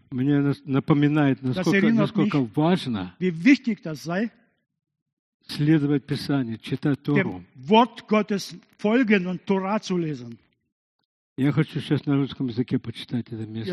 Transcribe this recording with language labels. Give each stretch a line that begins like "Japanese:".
Russian: мне напоминает, насколько
German: mich,
Russian: важно
German: wie wichtig das sei,
Russian: следовать Писанию, читать Тору.
German: Wort Gottes folgen und Tora zu lesen.
Russian: Я хочу сейчас на русском языке почитать это место.